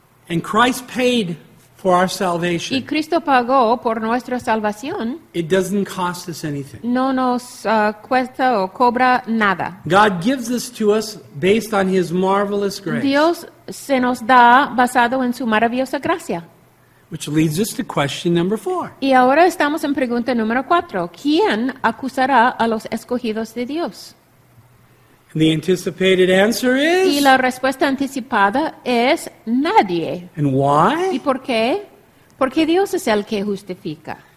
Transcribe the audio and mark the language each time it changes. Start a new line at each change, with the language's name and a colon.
English: and Christ paid for our salvation,
Spanish: y Cristo pagó por nuestra salvación,
English: it doesn't cost us anything.
Spanish: No nos cuesta o cobra nada.
English: God gives this to us based on his marvelous grace.
Spanish: Dios se nos da basado en su maravillosa gracia.
English: Which leads us to question number four.
Spanish: Y ahora estamos en pregunta número cuatro. ¿Quién acusará a los escogidos de Dios?
English: The anticipated answer is.
Spanish: Y la respuesta anticipada es nadie.
English: And why?
Spanish: ¿Y por qué? Porque Dios es el que justifica.